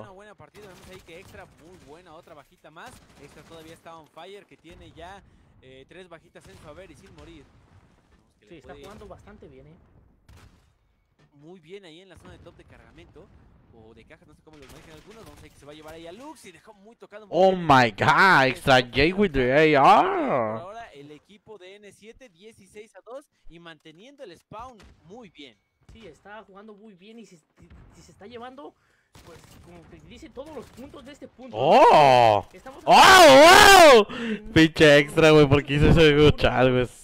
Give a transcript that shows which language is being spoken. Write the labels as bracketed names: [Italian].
[Spanish] Es una buena partida. Vemos ahí que Extra, muy buena. Otra bajita más. Extra todavía está on fire. Que tiene ya 3 bajitas en su haber y sin morir. Sí, está jugando bastante bien, ¿eh? Muy bien ahí en la zona de top de cargamento o de cajas, no sé cómo lo manejan algunos. Vamos a ver que se va a llevar ahí a Lux y dejó muy tocado. [English] Oh my god, extra J with the AR. [Spanish] Ahora el equipo de N7, 16-2 y manteniendo el spawn muy bien. Sí, está jugando muy bien y se está llevando, pues como que dice, todos los puntos de este punto. Oh, oh, wow. Pinche extra, güey, porque hizo ese chal, güey.